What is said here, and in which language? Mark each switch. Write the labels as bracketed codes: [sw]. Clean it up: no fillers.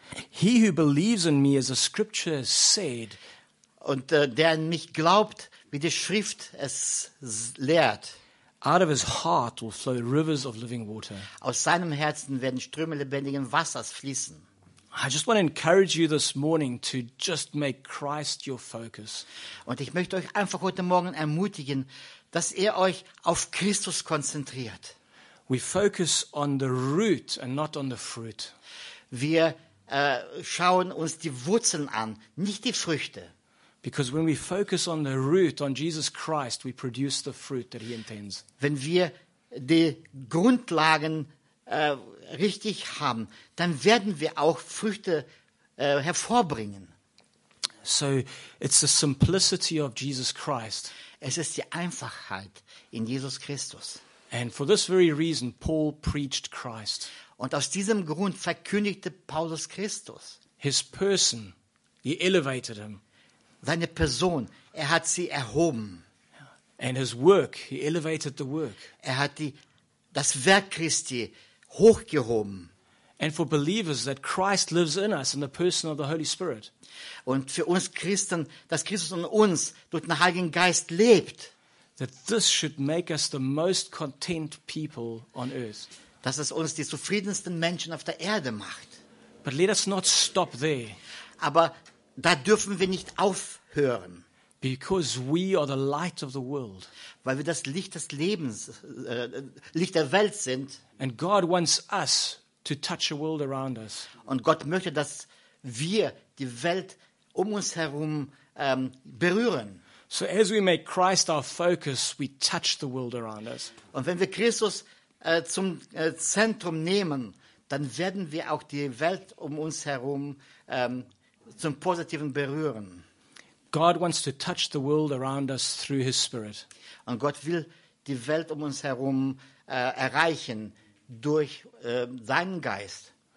[en] He who believes in me, as the scripture said, [de] und der an mich glaubt, wie die Schrift es lehrt, [en] out of his heart will flow rivers of living water. [de] Aus seinem Herzen werden Ströme lebendigen Wassers fließen. [en] I just want to encourage you this morning to just make Christ your focus. [de] Und ich möchte euch einfach heute Morgen ermutigen, dass ihr euch auf Christus konzentriert. [en] We focus on the root and not on the fruit. [de] Wir schauen uns die Wurzeln an, nicht die Früchte. [en] Because when we focus on the root, on Jesus Christ, we produce the fruit that he intends. [de] Wenn wir die Grundlagen richtig haben, dann werden wir auch Früchte hervorbringen. [en] So it's the simplicity of Jesus Christ. [de] Es ist die Einfachheit in Jesus Christus. [en] And for this very reason Paul preached Christ. [de] Und aus diesem Grund verkündigte Paulus Christus. [en] His person, he elevated him. [de] Seine Person, er hat sie erhoben. [en] And his work, he elevated the work. [de] Er hat das Werk Christi hochgehoben. [en] And for believers that Christ lives in us in the person of the Holy Spirit. [de] Und für uns Christen, dass Christus in uns durch den Heiligen Geist lebt. [en] That this should make us the most content people on earth. [de] Dass es uns die zufriedensten Menschen auf der Erde macht. [en] But let us not stop there. [de] Aber da dürfen wir nicht aufhören. [en] Because we are the light of the world. [de] Weil wir das Licht des Lebens, Licht der Welt sind. [en] And God wants us to touch a world around us. [de] Und Gott möchte, dass wir die Welt um uns herum berühren. [en] So as we make Christ our focus, we touch the world around us. [de] Und wenn wir Christus zum Zentrum nehmen, dann werden wir auch die Welt um uns herum zum Positiven berühren. [en] God wants to touch the world around us through his Spirit. [de] Und Gott will die Welt um uns herum erreichen durch seinen Geist.